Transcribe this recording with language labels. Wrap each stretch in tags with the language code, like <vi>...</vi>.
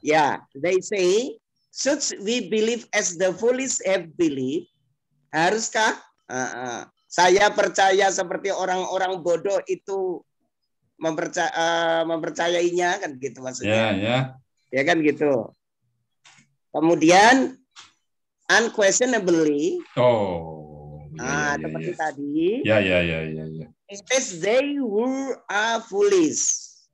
<en>Ya, they say should we believe as the foolish have believed?</en> <id>Haruskah saya percaya seperti orang-orang bodoh itu mempercayainya kan gitu maksudnya. Ya, ya. Ya kan gitu. Kemudian unquestionably. Seperti tadi. Ya.</id> <en>It is they who are foolish.</en>